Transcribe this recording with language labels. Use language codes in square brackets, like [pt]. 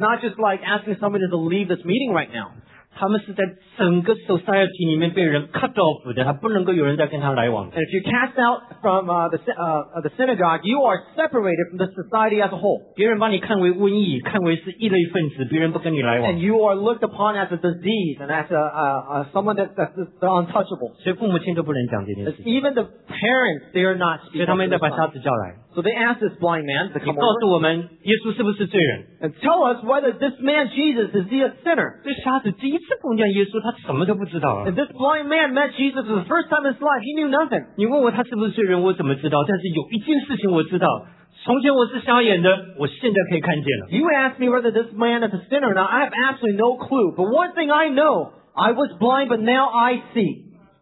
[en] not just like asking somebody to leave this meeting right now. [zh] 他们是在整个 society 里面被人 [en] cut off [zh] 的，他不能够有人再跟他来往的。 [en] And if you cast out from the synagogue, you are separated from the society as a whole. [zh] 别人把你看为瘟疫，看为是异类分子，别人不跟你来往。 [en] And you are looked upon as a disease and as someone that's untouchable. [zh] 所以父母亲都不能讲这件事。 [en] Even the parents, they are not. [zh] 所以他们再把瞎子叫来。 [en] So they asked this blind man to come over. [zh] 你告诉我们，耶稣是不是罪人？ [en] And tell us whether this man Jesus is he a sinner? [zh] 这瞎子第一次碰见耶稣，他什么都不知道啊。And [en] this blind man met Jesus for the first time in his life. He knew nothing. [zh] 你问我他是不是罪人，我怎么知道？但是有一件事情我知道。从前我是瞎眼的，我现在可以看见了。 [en] You asked me whether this man is a sinner, now I have absolutely no clue. But one thing I know, I was blind, but now I see.